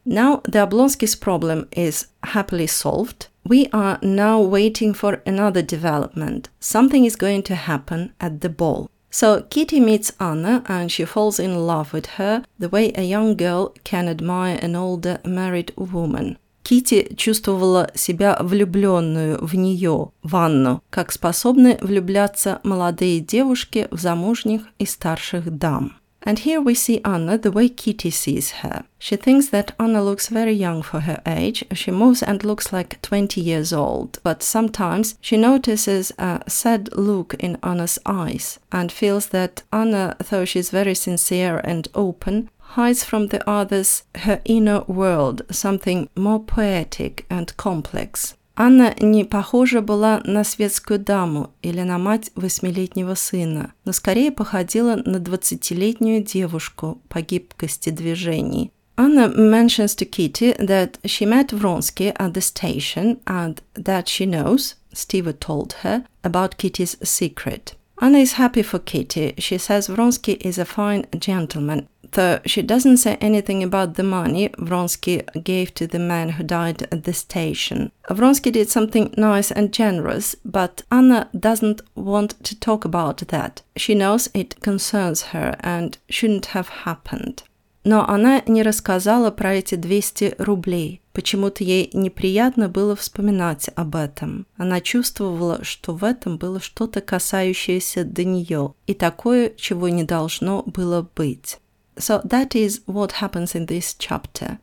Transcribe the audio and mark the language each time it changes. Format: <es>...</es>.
<en>Now the Oblonsky's problem is happily solved. We are now waiting for another development. Something is going to happen at the ball. So Kitty meets Anna and she falls in love with her the way a young girl can admire an older married woman.</en> <ru>Kitty чувствовала себя влюбленную в нее, в Анну, как способны влюбляться молодые девушки в замужних и старших дам.</ru> <en>And here we see Anna the way Kitty sees her. She thinks that Anna looks very young for her age. She moves and looks like 20 years old. But sometimes she notices a sad look in Anna's eyes and feels that Anna, though she's very sincere and open, hides from the others her inner world, something more poetic and complex.</en> <ru>Анна не похожа была на светскую даму или на мать восьмилетнего сына, но скорее походила на двадцатилетнюю девушку по гибкости движений.</ru> <en>Anna mentions to Kitty that she met Vronsky at the station and that she knows, Steva told her, about Kitty's secret. Anna is happy for Kitty. She says Vronsky is a fine gentleman. Though she doesn't say anything about the money Vronsky gave to the man who died at the station. Vronsky did something nice and generous, but Anna doesn't want to talk about that. She knows it concerns her and shouldn't have happened.</en> <ru>Но она не рассказала про эти 200 рублей. Почему-то ей неприятно было вспоминать об этом. Она чувствовала, что в этом было что-то касающееся до нее, и такое, чего не должно было быть.</ru> <en>So that is what happens in this chapter.</en>